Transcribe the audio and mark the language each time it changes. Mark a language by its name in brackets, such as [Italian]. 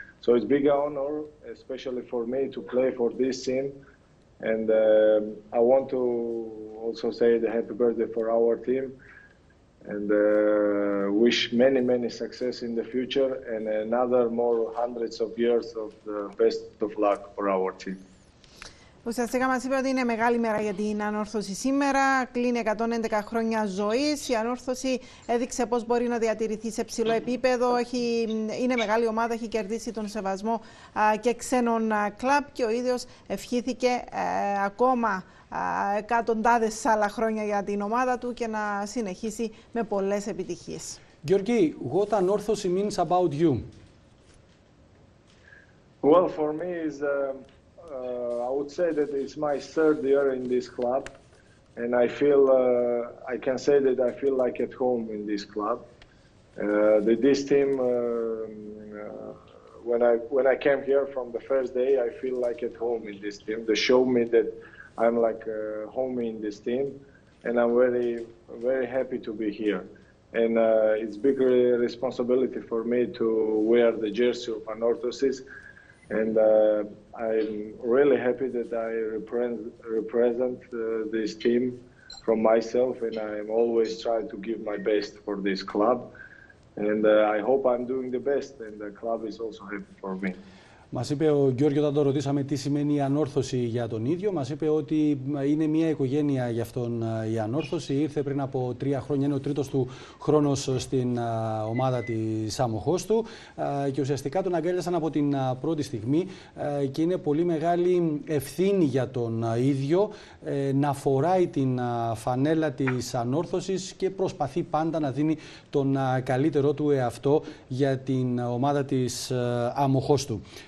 [English] So it's big honor, especially for me, to play for this team, and I want to also say the happy birthday for our team. And wish many, many success in the future and another more hundreds of years of the best of luck for our team. [Greek] Ουσιαστικά μας είπε ότι είναι μεγάλη μέρα για την Ανόρθωση σήμερα. Κλείνει 111 χρόνια ζωής. Η Ανόρθωση έδειξε πώς μπορεί να διατηρηθεί σε ψηλό επίπεδο. Είναι μεγάλη ομάδα, έχει κερδίσει τον σεβασμό και ξένων κλαμπ και ο ίδιος ευχήθηκε ακόμα εκατοντάδες άλλα χρόνια για την ομάδα του και να συνεχίσει με πολλές επιτυχίες. [English] Georgi, what Anorthosis means about you? Well, for me is I would say that it's my third year in this club, and I feel I can say that I feel like at home in this club. This team, when I came here from the first day, I feel like at home in this team. They show me that I'm like home in this team, and I'm very, very happy to be here. And it's bigger responsibility for me to wear the jersey of Anorthosis. And I'm really happy that I represent this team from myself, and I'm always trying to give my best for this club. And I hope I'm doing the best, and the club is also happy for me. [Greek] Μας είπε ο Γιώργιος, όταν το ρωτήσαμε τι σημαίνει η ανόρθωση για τον ίδιο, μας είπε ότι είναι μια οικογένεια για αυτόν η ανόρθωση. Ήρθε πριν από 3 χρόνια, είναι ο τρίτος του χρόνος στην ομάδα της άμοχός του και ουσιαστικά τον αγκάλιασαν από την πρώτη στιγμή και είναι πολύ μεγάλη ευθύνη για τον ίδιο να φοράει την φανέλα της ανόρθωσης και προσπαθεί πάντα να δίνει τον καλύτερό του εαυτό για την ομάδα της άμοχός του.